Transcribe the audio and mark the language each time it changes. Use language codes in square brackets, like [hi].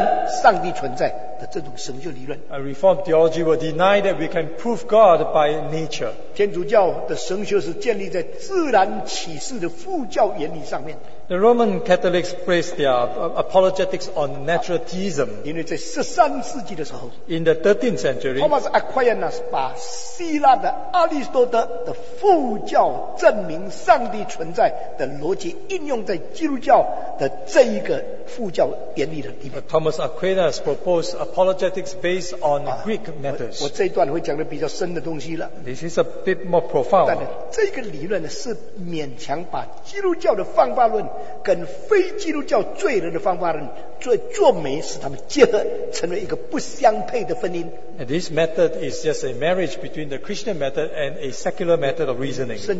[zh] 我们这个归正神学绝对不接受自然神学里面用大自然可以证明上帝存在的这种神学理论。 [en] A Reformed theology will deny that we can prove God by nature. [zh] 天主教的神学是建立在自然启示的副教原理上面。 [en] The Roman Catholics place their apologetics on natural theism. [zh] 因为在13世纪的时候, [en] in the 13th century, [zh] Thomas Aquinas 把希腊的阿里士多德的副教证明上帝存在的逻辑应用在基督教的这一个副教原理的地方。 [en] Thomas Aquinas proposed apologetics based on Greek matters. [zh] 我这一段会讲的比较深的东西了。 [en] This is a bit more profound. [zh] 但这个理论是勉强把基督教的方法论 跟非基督教罪人的方法论做媒使他们结合成为一个不相配的婚姻。 [en] This method is just a marriage between the Christian method and a secular method of reasoning.